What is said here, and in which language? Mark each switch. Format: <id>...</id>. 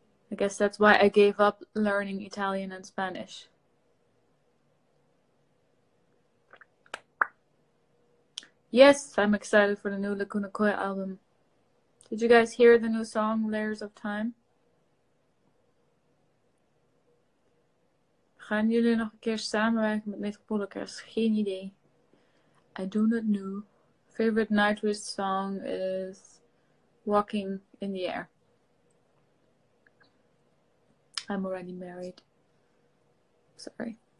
<en>I guess that's why I gave up learning Italian and Spanish. Yes, I'm excited for the new Lacuna Coil album. Did you guys hear the new song, Layers of Time?</en> <nl>Gaan jullie nog een keer samenwerken met Metropool Orkest? Geen idee.</nl> <en>I do not know. Favorite Nightwish song is Walking in the Air. I'm already married. Sorry.</en>